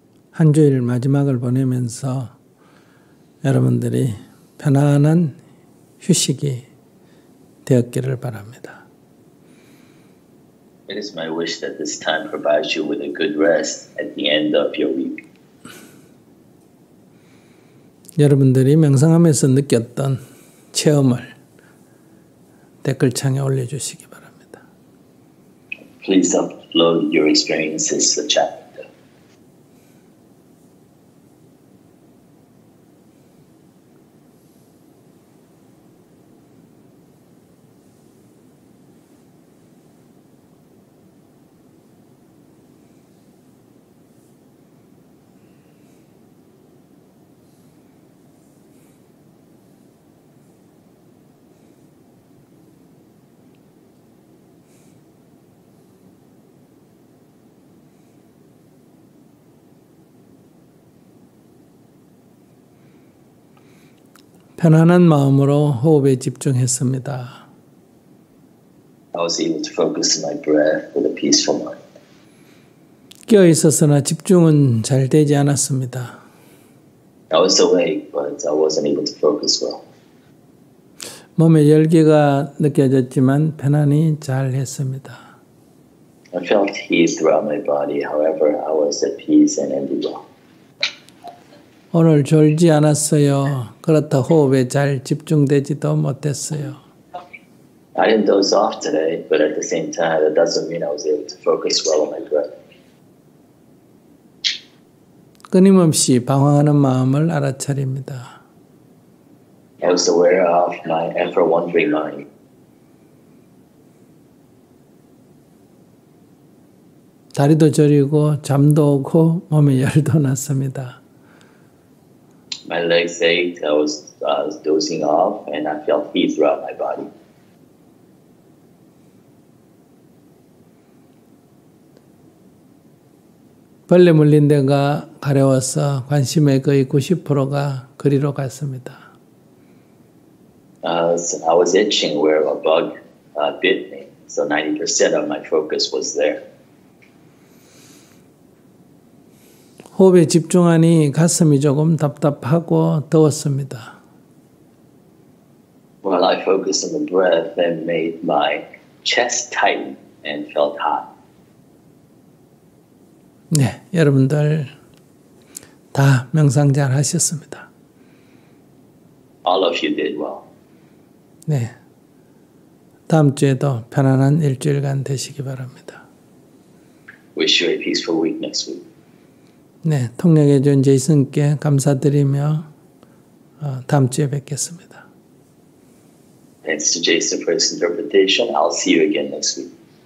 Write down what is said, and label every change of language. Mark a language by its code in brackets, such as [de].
[ko] 한 주일 마지막을 보내면서 여러분들이 편안한 휴식이 되었기를 바랍니다. [en] It is my wish that this time provides you with a good rest at the end of your week. [ko] 여러분들이 명상하면서 느꼈던 체험을 댓글창에 올려주시기 바랍니다. [en] Please upload your experiences to the chat window. [ko] 편안한 마음으로 호흡에 집중했습니다. [en] I was able to focus my breath with a peaceful mind. [ko] 깨어 있었으나 집중은 잘 되지 않았습니다. [en] I was awake, but I wasn't able to focus well. [ko] 몸에 열기가 느껴졌지만 편안히 잘 했습니다. [en] I felt heat throughout my body. However, I was at peace and able to. [ko] 오늘 졸지 않았어요. 그렇다 호흡에 잘 집중되지도 못했어요. [en] I didn't doze off today, but at the same time, that doesn't mean I was able to focus well on my breath. [ko] 끊임없이 방황하는 마음을 알아차립니다. [en] I was aware of my ever-wandering mind. [ko] 다리도 저리고 잠도 오고 몸에 열도 났습니다. [en] My legs ached. I was dozing off, and I felt heat throughout my body. [ko] 벌레 물린 데가 가려워서 관심의 거의 90%가 그리로 갔습니다. [en] I was itching where a bug bit me, so 90% of my focus was there. [ko] 호흡에 집중하니 가슴이 조금 답답하고 더웠습니다. [en] While I focused on the breath, that made my chest tighten and felt hot. [ko] 네, 여러분들 다 명상 잘 하셨습니다. [en] All of you did well. [ko] 네, 다음 주에도 편안한 일주일간 되시기 바랍니다. [en] Wish you a peaceful week next week. [ko] 네, 통역해 준 제이슨께 감사드리며 다음 주에 뵙겠습니다. [en] Thanks to Jason for his interpretation. I'll see you again next week.